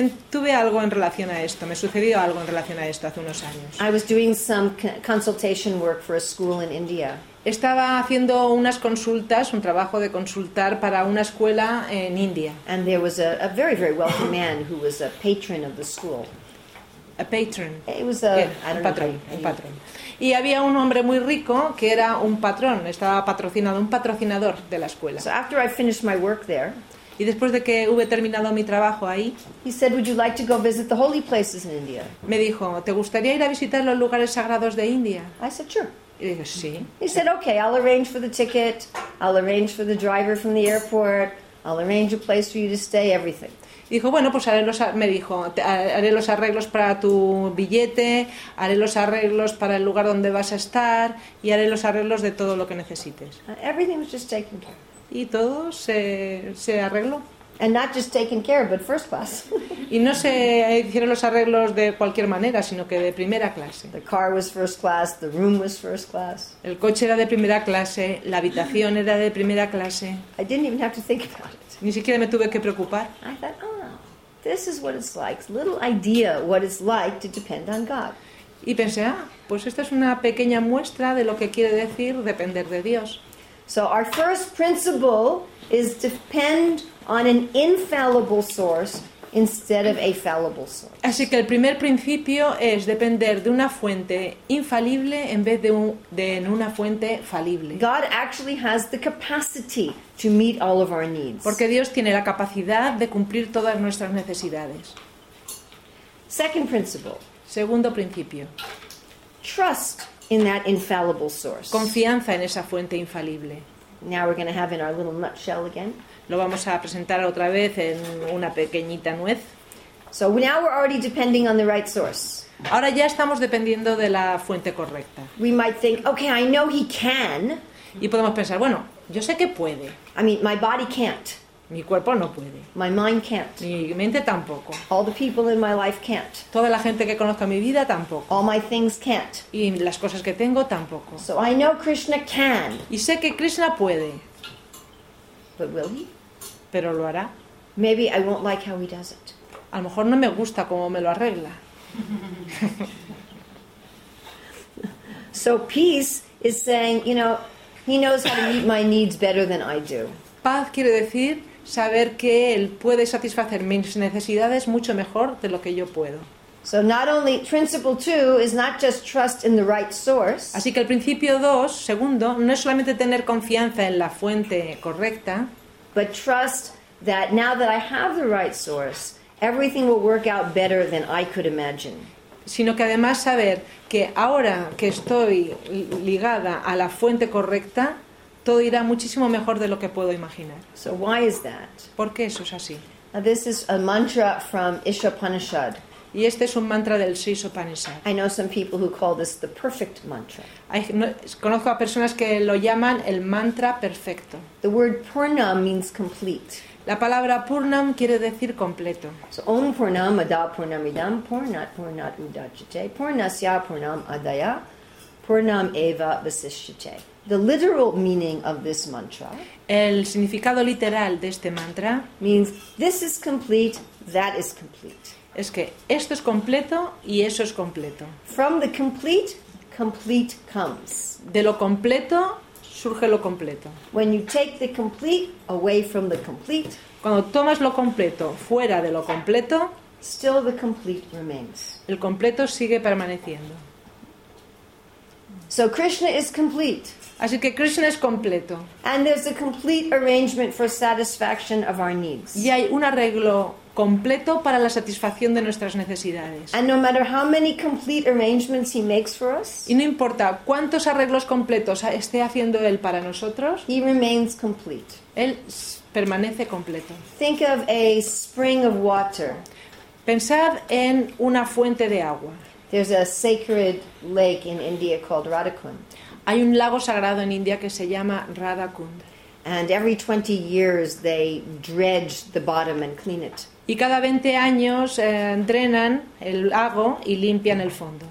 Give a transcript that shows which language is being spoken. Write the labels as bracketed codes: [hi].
[es] Tuve algo en relación a esto, me sucedió algo en relación a esto hace unos años. [en] I was doing some consultation work for a school in India. [es] Estaba haciendo unas consultas, un trabajo de consultar para una escuela en India. [en] And there was a very, very wealthy man who was a patron of the school. A patron. It was a, yeah, [es] un patrón. Y había un hombre muy rico que era un patrón, estaba patrocinado, un patrocinador de la escuela. [en] So after I finished my work there, [es] y después de que hube terminado mi trabajo ahí, [en] he said, "Would you like to go visit the holy places in India?" [es] Me dijo, "¿Te gustaría ir a visitar los lugares sagrados de India?" [en] I said, "Sure." [es] Y dije, "Sí." [en] He said, "Okay, I'll arrange for the ticket. I'll arrange for the driver from the airport. I'll arrange a place for you to stay, everything." [es] Y dijo, "Bueno, pues haré los arreglos para tu billete, haré los arreglos para el lugar donde vas a estar y haré los arreglos de todo lo que necesites." [en] Everything was just taken care of. [es] Y todo se arregló. [en] And not just taken care of, but first class. [es] Y no se hicieron los arreglos de cualquier manera, sino que de primera clase. [en] The car was first class, the room was first class. [es] El coche era de primera clase, la habitación era de primera clase. [en] I didn't even have to think about it. [es] Ni siquiera me tuve que preocupar. [en] I thought, oh, this is what it's like. Little idea what it's like to depend on God. [es] Y pensé, ah, pues esta es una pequeña muestra de lo que quiere decir depender de Dios. [en] So our first principle is to depend on an infallible source instead of a fallible source. [es] Así que el primer principio es depender de una fuente infalible en vez de una fuente falible. [en] God actually has the capacity to meet all of our needs. [es] Porque Dios tiene la capacidad de cumplir todas nuestras necesidades. [en] Second principle. [es] Segundo principio. [en] Trust in that infallible source. [es] Confianza en esa fuente infalible. [en] Now we're going to have in our little nutshell again. [es] Lo vamos a presentar otra vez en una pequeñita nuez. [en] So now we're already depending on the right source. [es] Ahora ya estamos dependiendo de la fuente correcta. [en] We might think, okay, I know he can. [es] Y podemos pensar, bueno, yo sé que puede. [en] I mean, my body can't. [es] Mi cuerpo no puede. [en] My mind can't. [es] Mi mente tampoco. [en] All the people in my life can't. [es] Toda la gente que conozco en mi vida tampoco. [en] All my things can't. [es] Y las cosas que tengo tampoco. [en] So I know Krishna can. [es] Y sé que Krishna puede. [en] But will he? [es] Pero lo hará. [en] Maybe I won't like how he does it. [es] A lo mejor no me gusta cómo me lo arregla. [en] So peace is saying, you know, He knows how to meet my needs better than I do. [es] Paz quiere decir saber que él puede satisfacer mis necesidades mucho mejor de lo que yo puedo. [en] So not only principle 2 is not just trust in the right source. [es] Así que el principio 2, segundo, no es solamente tener confianza en la fuente correcta, [en] but trust that now that I have the right source, everything will work out better than I could imagine. [es] Sino que además saber que ahora que estoy ligada a la fuente correcta, todo irá muchísimo mejor de lo que puedo imaginar. [en] So why is that? [es] ¿Por qué eso es así? [en] Now this is a mantra from Isha Upanishad. [es] Y este es un mantra del Sish Upanishad. [en] I know some people who call this the perfect mantra. [es] Conozco a personas que lo llaman el mantra perfecto. [en] The word Purnam means complete. [es] La palabra Purnam quiere decir completo. [sa] So Om Purnam Adha Purnam Idam Purnat Purnat Udachate Purnasya Purnam Adaya Purnam Eva Vasishchate. [en] The literal meaning of this mantra. [es] El significado literal de este mantra [en] means this is complete, that is complete. [es] Es que esto es completo y eso es completo. [en] From the complete, complete comes. [es] De lo completo surge lo completo. [en] When you take the complete away from the complete, [es] cuando tomas lo completo fuera de lo completo, [en] still the complete remains. [es] El completo sigue permaneciendo. [en] So Krishna is complete. [es] Así que Krishna es completo. [en] And there's a complete arrangement for satisfaction of our needs. [es] Y hay un arreglo completo para la satisfacción de nuestras necesidades. [en] And no matter how many complete arrangements he makes for us, [es] y no importa cuántos arreglos completos esté haciendo él para nosotros, [en] he remains complete. [es] Él permanece completo. [en] Think of a spring of water. [es] Pensad en una fuente de agua. [en] There's a sacred lake in India called Radhakund. [es] Hay un lago sagrado en India que se llama Radhakund. [en] And every 20 years they dredge the bottom and clean it. [es] Y cada 20 años drenan el lago y limpian el fondo.